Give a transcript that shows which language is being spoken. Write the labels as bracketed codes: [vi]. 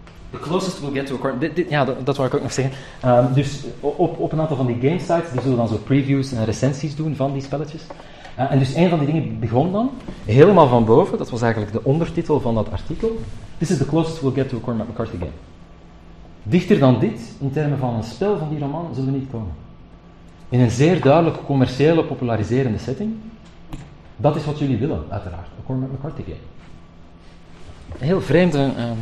[en] The closest we'll get to a corner. [nl] Dat wou ik ook nog zeggen. Dus op een aantal van die game sites, die zullen dan zo previews en recensies doen van die spelletjes. En dus een van die dingen begon dan, helemaal van boven, dat was eigenlijk de ondertitel van dat artikel. [en] This is the closest we'll get to a Cormac McCarthy game. [nl] Dichter dan dit, in termen van een spel van die roman, zullen we niet komen. In een zeer duidelijk commerciële, populariserende setting. Dat is wat jullie willen, uiteraard. [en] A Cormac McCarthy game. [nl] Een heel vreemde...